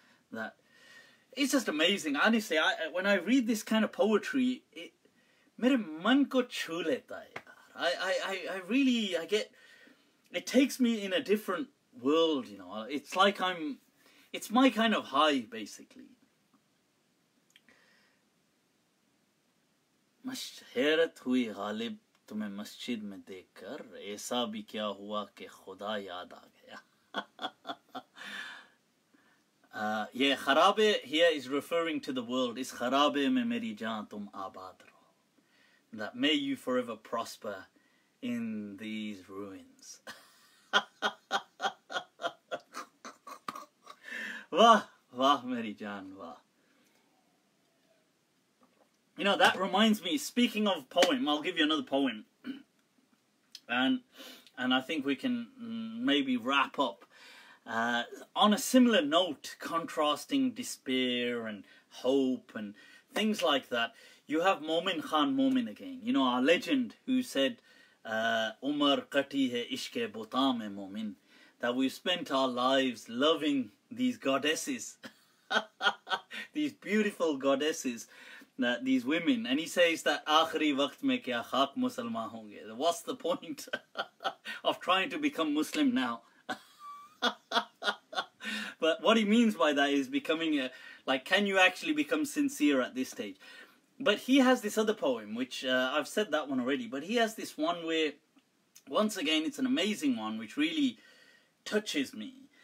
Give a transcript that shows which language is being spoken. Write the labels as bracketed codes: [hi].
[en] That it's just amazing. Honestly, when I read this kind of poetry, it [ur] mere man ko chhu leta hai. [en] It takes me in a different world, you know. It's like it's my kind of high, basically. [ur] حیرت ہوئی غالب تمہیں مسجد میں دیکھ کر ایسا بھی کیا ہوا کہ خدا یاد آ گیا. یہ خراب [en] here is referring to the world. [ur] اس خراب میں میری جان تم آباد رہو. [en] That may you forever prosper in these ruins. [ur] واہ واہ میری جان واہ. [en] You know, that reminds me, speaking of poem, I'll give you another poem. And I think we can maybe wrap up. On a similar note, contrasting despair and hope and things like that, you have Momin Khan Momin again. You know, our legend who said, [ur] Umar kati hai ishke bota mein Momin, [en] that we've spent our lives loving these goddesses, these beautiful goddesses. That these women, and he says that [ur] آخری وقت میں کیا خاک مسلمان ہوں گے. [en] What's the point of trying to become Muslim now? But what he means by that is becoming can you actually become sincere at this stage? But he has this other poem, which I've said that one already, but he has this one where, once again, it's an amazing one, which really touches me.